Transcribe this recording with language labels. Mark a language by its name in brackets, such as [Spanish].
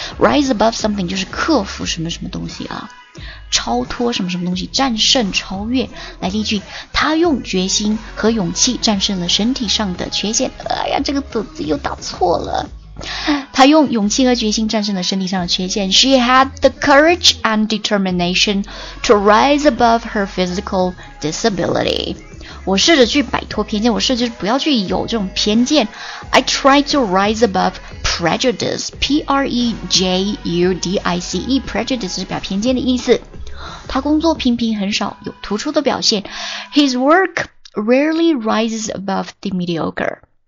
[English] rise above something [Chinese] 就是克服什么什么东西啊，超脱什么什么东西，战胜超越。来例句，他用决心和勇气战胜了身体上的缺陷。哎呀，这个字又打错了。他用勇气和决心战胜了身体上的缺陷。 [English] She had the courage and determination to rise above her physical disability。 [Chinese] 我试着去摆脱偏见，我试着不要去有这种偏见。 [English] I tried to rise above prejudice， P-R-E-J-U-D-I-C-E， prejudice [Chinese] 是表偏见的意思。他工作平平，很少有突出的表现。 [English] His work rarely rises above the mediocre。